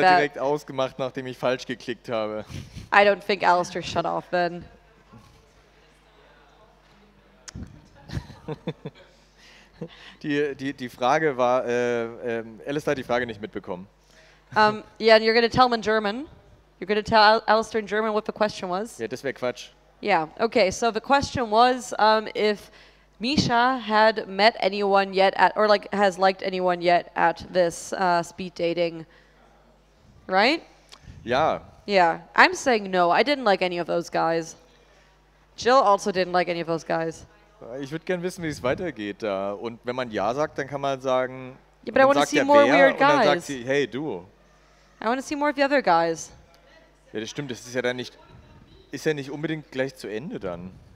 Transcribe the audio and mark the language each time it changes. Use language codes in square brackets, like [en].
[de] Alistair direkt ausgemacht, nachdem ich falsch geklickt habe. [en] I don't think Alistair shut off then. [de] die Frage war, Alistair hat die Frage nicht mitbekommen. [en] Yeah, and you're going to tell him in German. You're going to tell Alistair in German what the question was? [de] Yeah, das wäre Quatsch. [en] Yeah, okay, so the question was if Misha had met anyone yet at, or like has liked anyone yet at this speed dating, right? Yeah. Yeah, I'm saying no, I didn't like any of those guys. Jill also didn't like any of those guys. [de] Ich würde gerne wissen, wie es weitergeht. Und wenn man ja sagt, dann kann man sagen, [en] yeah, but I want to see more weird guys. [de] Und dann sagt sie, hey, du. [en] I want to see more of the other guys. [de] Ja, das stimmt, das ist ja dann nicht, ist ja nicht unbedingt gleich zu Ende dann.